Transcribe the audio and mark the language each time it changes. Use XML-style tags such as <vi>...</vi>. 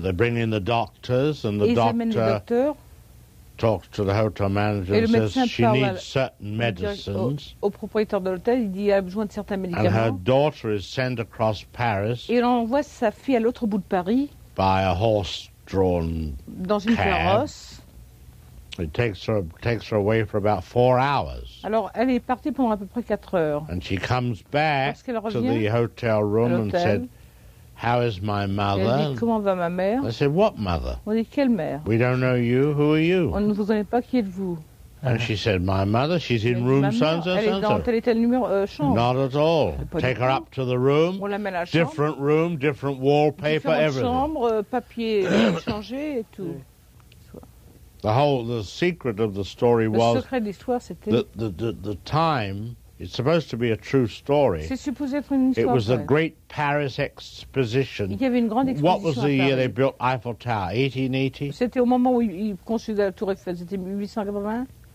<en>they bring in the doctors and the doctor talks to the hotel manager and says she needs certain medicines</en> <fr>au propriétaire de l'hôtel il dit elle a besoin de certains médicaments</fr> <en>and her daughter is sent across Paris</en> <fr>et on envoie sa fille à l'autre bout de Paris</fr> <en>by a horse drawn</en> <fr>dans une carrosse.</fr> <en>It takes her away for about 4 hours.</en> <fr>Alors, elle est partie pendant à peu près 4 heures.</fr> <en>And she comes back to the hotel room and said, "How is my mother?"</en> <fr>Elle dit, comment va ma mère?</fr> <en>I said, "What mother?"</en> <fr>On dit, quelle mère?</fr> <en>We don't know you. Who are you?</en> <fr>On ne vous connaît pas. Qui êtes-vous?</fr> <en>And she said, "My mother. She's in room Sansa."</en> <fr>Elle est dans tel et tel numéro chambre.</fr> <en>Not at all. Take her up to the room.</en> <fr>On la met à la chambre.</fr> <en>Different room, different wallpaper, everything.</en> <fr>Différentes chambres, papier changé et tout.</fr> <en>The secret of the story was the time, it's supposed to be a true story.</en> <fr>C'est supposé être une histoire.</fr> <en>It was the Great Paris Exposition.</en> <fr>Il y avait une grande exposition.</fr> <en>What was the year they built Eiffel Tower? 1880?</en> <fr>C'était au moment où ils construisaient la Tour Eiffel, c'était 1880?</fr>